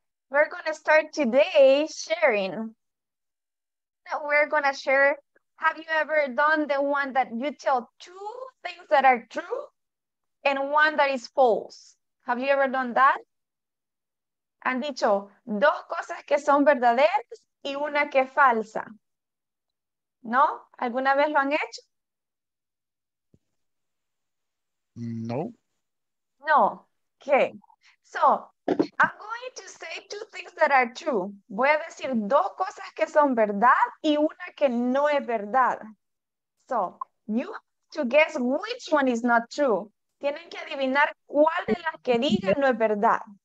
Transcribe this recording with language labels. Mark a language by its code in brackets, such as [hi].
[en] We're going to start today sharing. We're going to share, have you ever done the one that you tell two things that are true and one that is false? Have you ever done that? [es] Han dicho, dos cosas que son verdaderas y una que falsa. ¿No? ¿Alguna vez lo han hecho? No. [en] No. Okay. So, I'm going to say two things that are true. [es] Voy a decir dos cosas que son verdad y una que no es verdad. [en] So, you have to guess which one is not true. [es] Tienen que adivinar cuál de las que digan no es verdad.